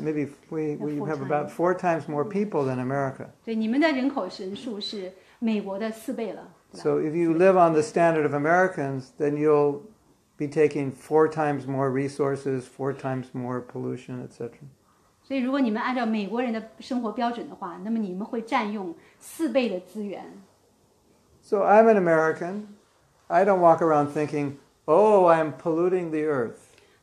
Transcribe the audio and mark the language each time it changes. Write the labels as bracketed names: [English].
[English] Maybe we have about four times more people than America. [Chinese] 对，你们的人口人数是美国的四倍了，对吧？ [English] So if you live on the standard of Americans, then you'll be taking four times more resources, four times more pollution, etc. [Chinese] 所以如果你们按照美国人的生活标准的话，那么你们会占用四倍的资源。 [English] So I'm an American. I don't walk around thinking, oh, I'm polluting the earth.